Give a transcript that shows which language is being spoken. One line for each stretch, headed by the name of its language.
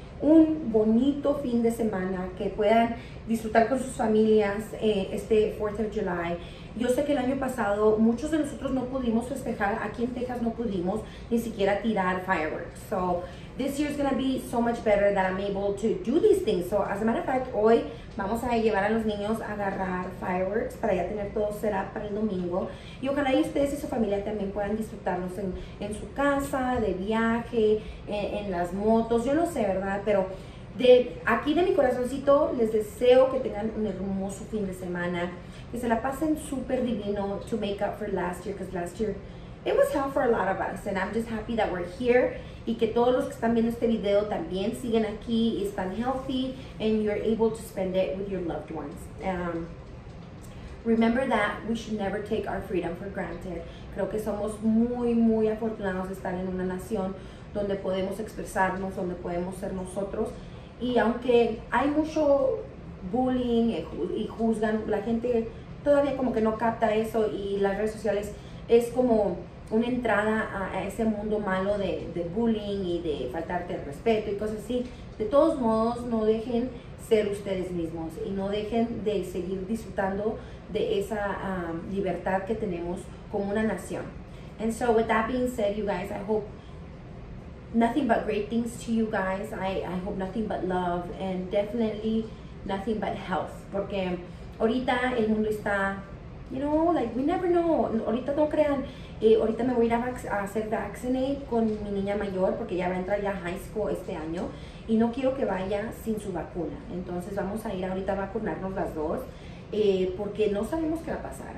Spanish: un bonito fin de semana, que puedan disfrutar con sus familias este 4th of July. Yo sé que el año pasado muchos de nosotros no pudimos festejar, aquí en Texas no pudimos ni siquiera tirar fireworks.
English: So, this year is going to be so much better that I'm able to do these things. So, as a matter of fact,
Spanish: hoy vamos a llevar a los niños a agarrar fireworks para ya tener todo set up para el domingo. Y ojalá y ustedes y su familia también puedan disfrutarlos en su casa, de viaje, en las motos, yo no sé, ¿verdad? Pero de aquí de mi corazoncito les deseo que tengan un hermoso fin de semana. Que se la pasen super divino
English: to make up for last year, because last year it was hell for a lot of us, and I'm just happy that we're here,
Spanish: y que todos los que están viendo este video también siguen aquí y están healthy,
English: and you're able to spend it with your loved ones. Remember that we should never take our freedom for granted.
Spanish: Creo que somos muy, muy afortunados de estar en una nación donde podemos expresarnos, donde podemos ser nosotros, y aunque hay mucho bullying y juzgan, la gente todavía como que no capta eso, y las redes sociales es como una entrada a ese mundo malo de bullying y de faltarte el respeto y cosas así. De todos modos, no dejen ser ustedes mismos y no dejen de seguir disfrutando de esa libertad que tenemos como una nación.
English: And so with that being said, you guys, I hope nothing but great things to you guys. I hope nothing but love, and definitely nothing but health,
Spanish: porque ahorita el mundo está,
English: you know, like, we never know.
Spanish: Ahorita no crean, ahorita me voy a ir a hacer vaccinate con mi niña mayor, porque ya va a entrar ya high school este año, y no quiero que vaya sin su vacuna. Entonces vamos a ir ahorita a vacunarnos las dos, porque no sabemos qué va a pasar.